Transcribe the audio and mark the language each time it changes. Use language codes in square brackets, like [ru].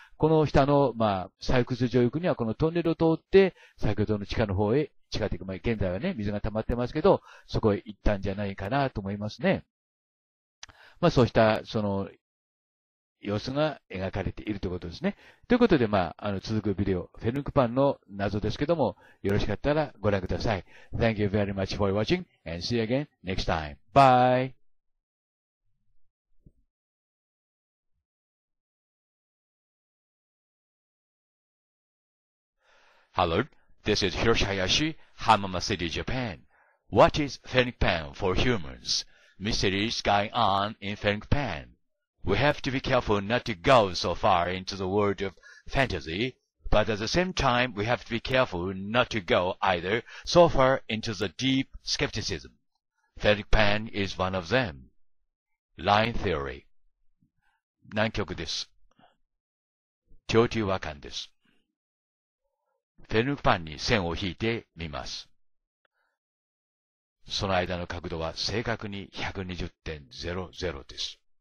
[ja] この下の、まあ、採掘場行くには、このトンネルを通って、先ほどの地下の方へ、地下的、まあ、現在はね、水が溜まってますけど、そこへ行ったんじゃないかなと思いますね。まあ、そうした、その、様子が描かれているということですね。ということで、まあ、続くビデオ、フェヌクパンの謎ですけども、よろしかったらご覧ください。 [en] Thank you very much for watching and see you again next time. Bye! Hello, this is Hiroshi Hayashi, Hamama City, Japan. What is フェヌクパン for humans? Mysteries going on in フェヌクパン。 We have to be careful not to go so far into the world of fantasy, but at the same time, we have to be careful not to go either so far into the deep skepticism. Fennec Pan is one of them. Line Theory. [ja] 南極です。 Teotihuacan です。Fennec Panに線を引いてみます。その間の角度は正確に 120.00 です。